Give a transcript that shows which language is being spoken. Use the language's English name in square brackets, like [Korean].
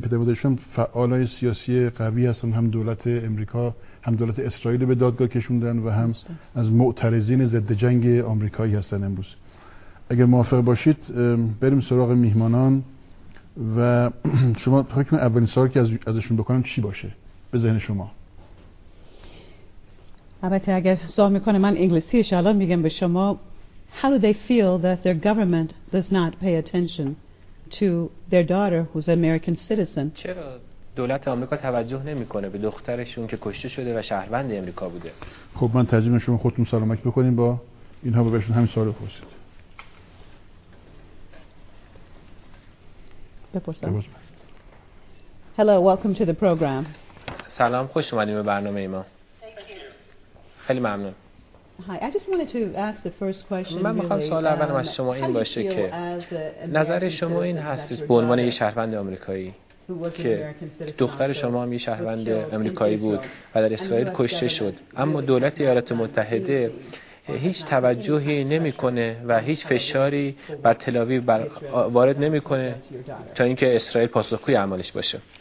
[Persian] پدر مادرشون فعالای سیاسی قوی هستن، هم دولت امریکا هم دولت اسرائیل به دادگاه کشوندن و هم از معترضین ضد جنگ آمریکایی هستن امروز. اگر موافق باشید بریم سراغ میهمانان و شما حکم اولین سوالی که ازشون بکنم چی باشه به ذهن شما؟ البته اگر سوال میکنه من انگلیسیش الان میگم به شما. [English] How do they feel that their government does not pay attention to their daughter who's an American citizen? [Persian] چرا دولت آمریکا توجه نمیکنه به دخترشون که کشته شده و شهروند آمریکا بوده؟ خب من ترجیح میدم شما خودتون سلامک بکنیم با اینها به بهشون همین سوال رو پرسید. [English] Hello, welcome to the program. [Persian] سلام، خوش اومدین به برنامه ما. خیلی ممنون. [English] Hi, I just wanted to ask the first question. [Persian] من می‌خوام سوال اول از شما این باشه که نظر شما این هستش به عنوان یه شهروند آمریکایی که دختر شما هم یه شهروند آمریکایی بود و در اسرائیل کشته شد، اما دولت ایالات متحده هیچ توجهی نمی‌کنه و هیچ فشاری بر تل آویو وارد نمی‌کنه تا اینکه اسرائیل پاسخگوی اعمالش باشه.